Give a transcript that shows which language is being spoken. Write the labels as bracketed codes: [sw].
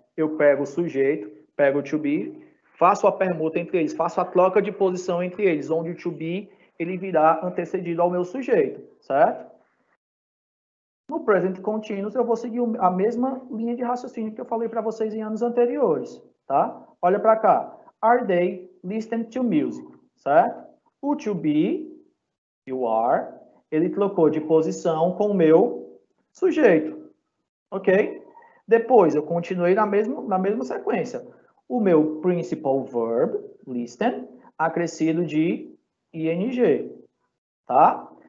[pt] Eu pego o sujeito, pego o to be, faço a permuta entre eles, faço a troca de posição entre eles, onde o to be, ele virá antecedido ao meu sujeito, certo? No present continuous, eu vou seguir a mesma linha de raciocínio que eu falei para vocês em anos anteriores, tá? Olha para cá. [en] Are they listening to music, certo? [pt] O to be, you are, ele trocou de posição com o meu sujeito, ok? Depois, eu continuei na mesma sequência. O meu principal verb, listen, acrescido de ing, tá?